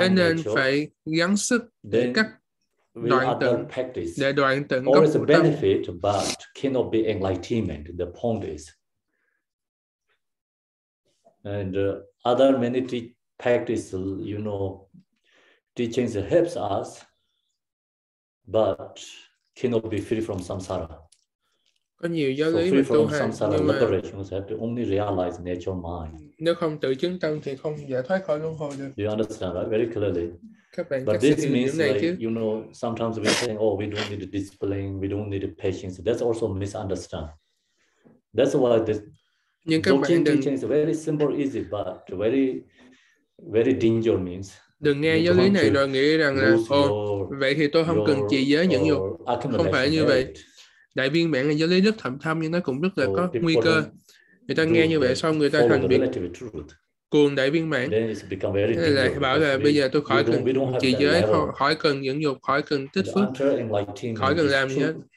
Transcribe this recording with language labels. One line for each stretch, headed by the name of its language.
Vietnamese: thế nên phải gắng sức để cắt đoạn tận,
English: always a benefit, tâm. But cannot be enlightenment. The point is, and other many practice, you know, teachings helps us, but cannot be free from samsara.
Vietnamese: Có nhiều giáo lý về tu hành, nhưng mà
English: you have to only realize natural mind.
Vietnamese: Nếu không tự chứng tâm thì không giải thoát khỏi luân hồi được.
English: You understand, right? Very clearly.
Vietnamese: Các bạn
English: but this means like, you know, sometimes we say, oh, we don't need discipline, we don't need patience. That's also misunderstand. That's why this teaching is very simple, easy, but very, very dangerous means.
Vietnamese: Đừng nghe giáo lý này rồi nghĩ rằng là, ồ, vậy thì tôi không cần trì giới những dục. Không phải như vậy. Đại viên mãn là giáo lý rất thâm thâm, nhưng nó cũng rất là có nguy cơ. Người ta nghe như vậy xong, người ta thành bị cuồng đại viên mãn. Thế là bảo là bây giờ tôi khỏi cần trì giới, khỏi cần những dục, khỏi cần tích phước, khỏi cần làm gì hết.